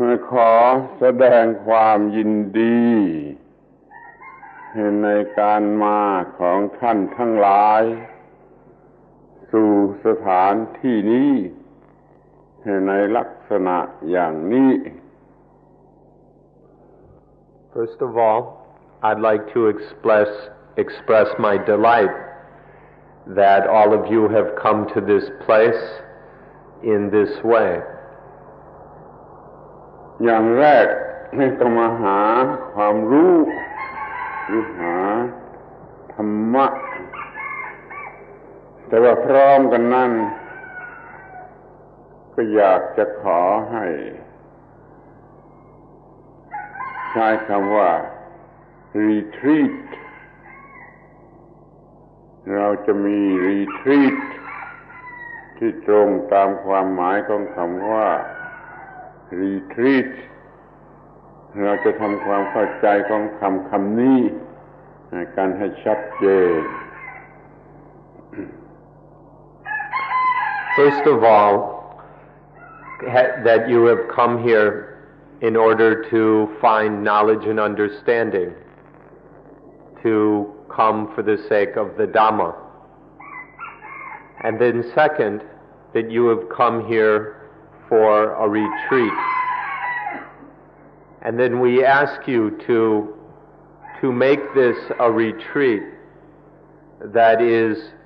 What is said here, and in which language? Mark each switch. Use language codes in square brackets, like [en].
[th] ขอแสดงความยินดีในการมาของท่านทั้งหลายสู่สถานที่นี้ในลักษณะอย่างนี้ [en] First of all, I'd like to express my delight that all of you have come to this place in this way. [th] อย่างแรกให้ต้องมาหาความรู้หรือหาธรรมะแต่ว่าพร้อมกันนั้นก็อยากจะขอให้ ใช้คำว่า retreat เราจะมี retreat ที่ตรงตามความหมายของคำว่าretreat เราจะทำความเข้าใจของคำนี้การให้ชัดเจน [en] First of all that you have come here in order to find knowledge and understanding to come for the sake of the Dhamma and then second that you have come hereFor a retreat, and then we ask you to make this a retreat that is